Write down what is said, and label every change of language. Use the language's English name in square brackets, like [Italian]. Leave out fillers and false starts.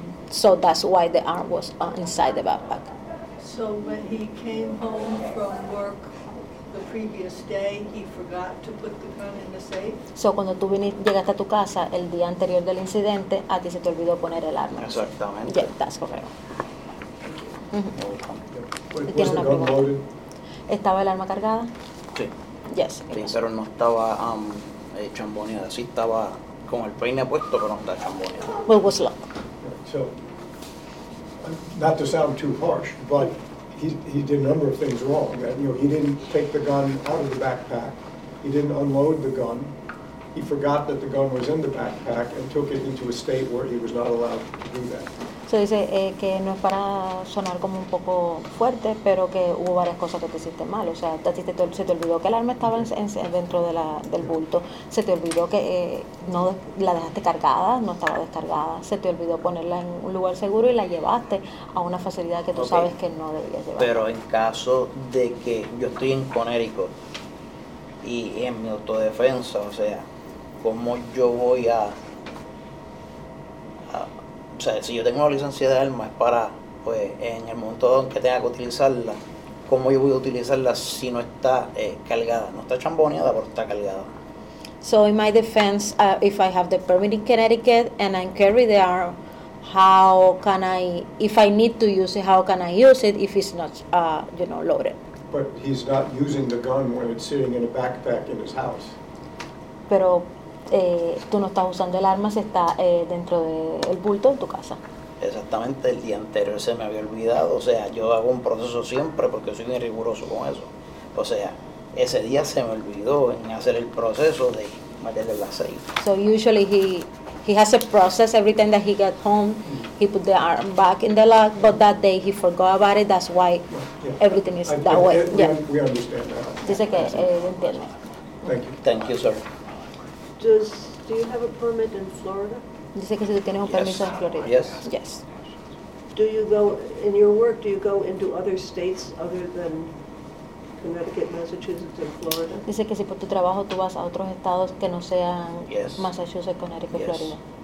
[English] So that's why the arm was inside the backpack. So when he came home from work the previous day, he forgot to put the gun in the safe? [Spanish] So cuando tú llegaste a tu casa el día anterior del incidente, a ti se te olvidó poner el arma. Exactamente. [English] Yeah, that's correct. Wait, was the gun loaded? [Spanish] ¿Estaba el arma cargada? Sí. [English] Yes. [Spanish] Pero no estaba chamboneada. Sí estaba con el peine puesto, pero no estaba chamboneada. [English] Well, what's luck? So, not to sound too harsh, but he did a number of things wrong. That, you know, he didn't take the gun out of the backpack. He didn't unload the gun. He forgot that the gun was in the backpack and took it into a state where he was not allowed to do that. [Spanish] Se dice que no es para sonar como un poco fuerte, pero que hubo varias cosas que te hiciste mal. O sea, a ti se te olvidó que el arma estaba dentro de del bulto. Se te olvidó que no la dejaste cargada, no estaba descargada. Se te olvidó ponerla en un lugar seguro y la llevaste a una facilidad que tú sabes que no debías llevar. Pero en caso de que yo estoy en Conérico y en mi autodefensa, o sea, ¿cómo yo voy a... O sea, si yo tengo la licencia de arma, es para, pues, en el momento en que tenga que utilizarla, ¿cómo yo voy a utilizarla si no está cargada? No está chamboneada, pero está cargada. [English] So, in my defense, if I have the permit in Connecticut and I carry the arm, how can I, if I need to use it, how can I use it if it's not, you know, loaded? But he's not using the gun when it's sitting in a backpack in his house. [Spanish] Pero... tú no estás usando el arma, se está dentro del bulto en tu casa. Exactamente, el día anterior se me había olvidado. O sea, yo hago un proceso siempre porque soy bien riguroso con eso. O sea, ese día se me olvidó en hacer el proceso de meterle el aceite. [English] So usually he has a process every time that he get home. He put the arm back in the lock, but that day he forgot about it. That's why everything is that way. We understand that. [Spanish] Dice que entiende. [English] Thank you. Thank you, sir. Do you have a permit in Florida? [Spanish] Dice que si tú tienes un permiso en Florida. [English] Yes. Yes. Do you go, in your work, do you go into other states other than Connecticut, Massachusetts, and Florida? [Spanish] Dice que si por tu trabajo tú vas a otros estados que no sean Massachusetts, Connecticut, Florida.